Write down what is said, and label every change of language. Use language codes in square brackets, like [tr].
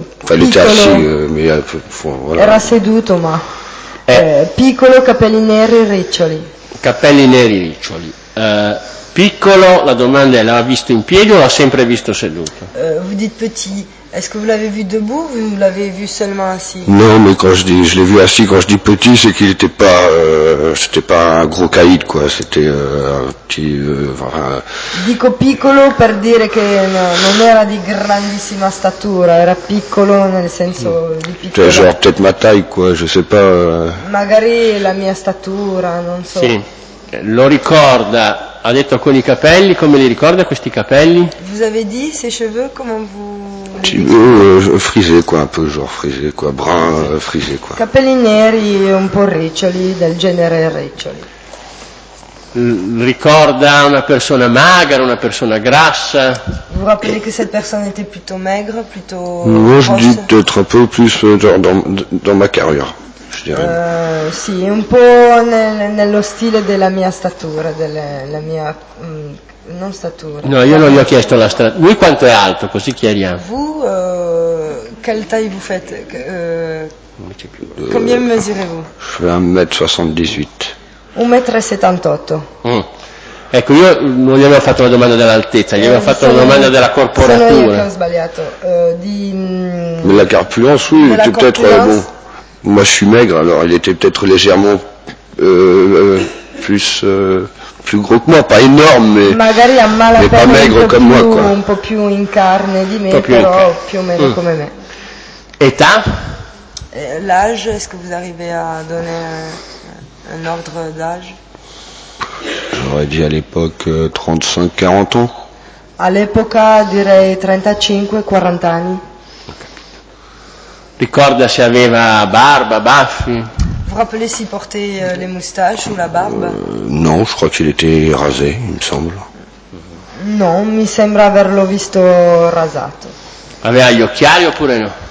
[fr] Elle était assis, mais voilà. [it] Era seduto, ma. Piccolo, capelli neri, riccioli. Capelli neri, riccioli. Piccolo, la domanda è, l'ha visto in piedi o l'ha sempre visto seduto? [fr] Vous dites petit, est-ce que vous l'avez vu debout ou vous l'avez vu seulement assis? Non, mais quand je dis, je l'ai vu assis, quand je dis petit, c'est qu'il n'était pas, c'était pas un gros caïd, quoi, c'était un petit, [it] Dico piccolo per dire che non era di grandissima statura, era piccolo nel senso di piccolo. [fr] Cioè, genre, peut-être ma taille, quoi, je sais pas. [it] Magari la mia statura, non so. Sì. Lo ricorda, ha detto con i capelli, come li ricorda questi capelli? [fr] Vous avez dit ses cheveux, comment vous... Frisé, quoi, un peu, genre frisé, quoi, brun, frisé, quoi. [it] Capelli neri, un po' riccioli, del genere riccioli. Ricorda una persona magra, una persona grassa? [fr] Vous rappelez que cette personne était plutôt maigre, plutôt... Moi, je dis peut-être un peu plus dans ma carrière. [it] Sì, un po' nello stile della mia statura, della mia non statura. No, io non gli ho chiesto la statura. Lui quanto è alto? Così chiariamo. [fr] Vous, quelle taille vous faites? Combien mesurez-vous? Je fais 1,78 m. 1,78 m. [it] Ecco, io non gli avevo fatto la domanda dell'altezza, gli avevo fatto la domanda della corporatura. Sono io che ho sbagliato. [fr] La corpulence, oui, tu peut-être. Moi je suis maigre, alors il était peut-être légèrement plus gros que moi, pas énorme, mais pas maigre comme moi, quoi. [it] Un po' più in carne di me, però più o meno come me. Età? [fr] L'âge, est-ce que vous arrivez à donner un ordre d'âge? J'aurais dit à l'époque 35-40 ans. [it] All'epoca direi 35-40 anni. Ricorda se aveva barba, baffi? [fr] Vous rappelez s'il portait les moustaches ou la barbe? Non, je crois qu'il était rasé, il me semble. [it] Non, mi sembra averlo visto rasato. Aveva gli occhiali oppure no?